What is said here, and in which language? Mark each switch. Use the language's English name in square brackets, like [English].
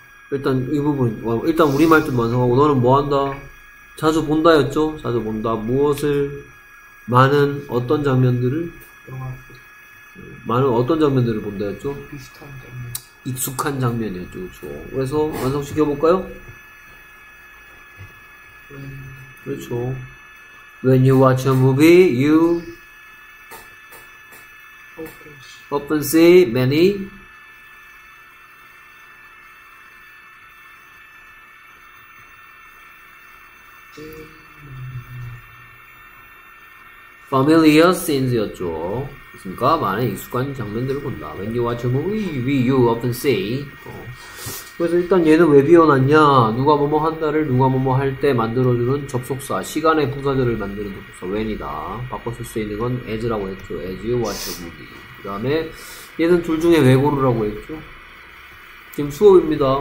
[Korean] 일단 이 부분 일단 우리말 좀 완성하고 너는 뭐 한다? 자주 본다였죠. 자주 본다. 무엇을 많은 어떤 장면들을 많은 어떤 장면들을 본다였죠? 비슷한 장면. 익숙한 장면이었죠. 그렇죠. 그래서 완성시켜볼까요? [English] When, [Korean] 그렇죠. [English] When you watch a movie, you often see many familiar scenes였죠. [Korean] 그니까 많은 익숙한 장면들을 본다. [English] When you watch a movie, you often see. [Korean] 그래서 일단 얘는 왜 비워놨냐? 누가 뭐뭐 한다를 누가 뭐뭐 할 때 만들어주는 접속사, 시간의 부사절을 만드는 접속사 when이다. 바꿔 쓸 수 있는 건 as라고 했죠. [English] As you watch a movie. [Korean] 그다음에 얘는 둘 중에 왜 고르라고 했죠? 지금 수업입니다.